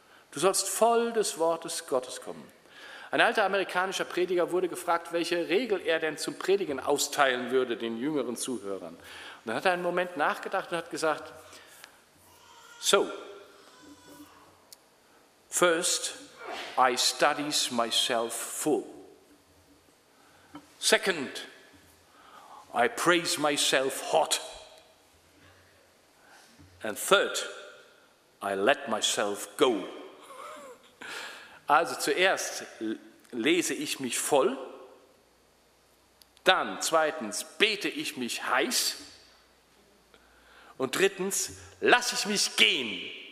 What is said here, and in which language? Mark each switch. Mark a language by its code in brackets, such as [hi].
[de] Du sollst voll des Wortes Gottes kommen. Ein alter amerikanischer Prediger wurde gefragt, welche Regel er denn zum Predigen austeilen würde den jüngeren Zuhörern. Und dann hat er einen Moment nachgedacht und hat gesagt, so, [en] first, I studies myself full. Second, I praise myself hot. And third, I let myself go. [de] Also zuerst lese ich mich voll, dann zweitens bete ich mich heiß und drittens lasse ich mich gehen.